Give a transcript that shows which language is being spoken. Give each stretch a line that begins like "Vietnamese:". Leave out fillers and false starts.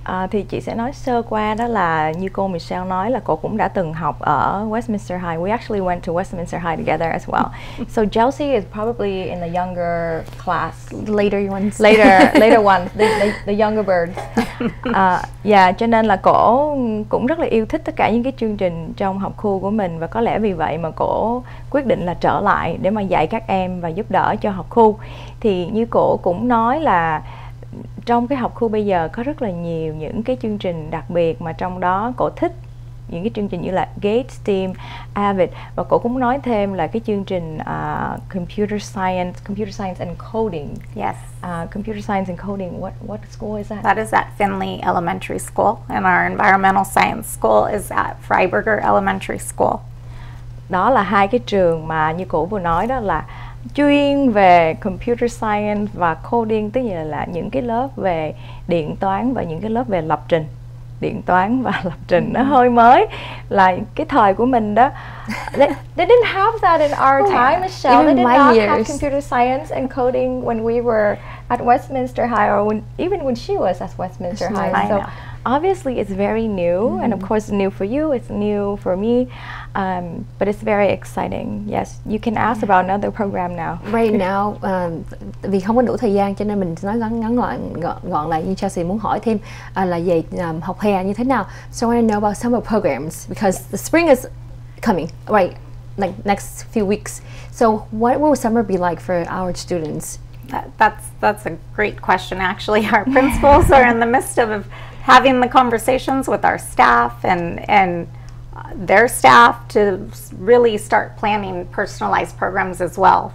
Vietnamese: thì chị sẽ nói sơ qua đó là như cô Michelle nói là cô cũng đã từng học ở Westminster High.
English: We actually went to Westminster High together as well. So Chelsea is probably in the younger class. Later ones. Later ones, the younger birds.
Vietnamese: Yeah, cho nên là cô cũng rất là yêu thích tất cả những cái chương trình trong học khu của mình. Và có lẽ vì vậy mà cô quyết định là trở lại để mà dạy các em và giúp đỡ cho học khu. Thì như cô cũng nói là trong cái học khu bây giờ có rất là nhiều những cái chương trình đặc biệt mà trong đó cổ thích những cái chương trình như là Gate, STEAM, AVID. Và cổ cũng nói thêm là cái chương trình Computer Science and Coding.
English: Yes. Computer Science and Coding, what school is that? That is at Finley Elementary School, and our Environmental Science School is at Freiberger Elementary School.
Vietnamese: Đó là hai cái trường mà như cổ vừa nói đó là chuyên về computer science và coding, tức là những cái lớp về điện toán và những cái lớp về lập trình. Điện toán và lập trình nó hơi mới là cái thời của mình đó.
English: They didn't have that in our time, Michelle. Even they did not years. Have computer science and coding when we were at Westminster High, or when, even when she was at Westminster High. So obviously it's very new, mm-hmm. and of course new for you, it's new for me, but it's very exciting. Yes, you can ask yeah. about another program now. Right now,
Vietnamese: vì không có đủ thời gian cho nên mình nói ngắn gọn lại như Chelsea muốn hỏi thêm là về học hè như thế nào.
English: So I want to know about summer programs because yeah. the spring is coming, right, like next few weeks. So what will summer be like for our students? That's a great question, actually. Our principals are in the midst of having the conversations with our staff and their staff to really start planning personalized programs as well.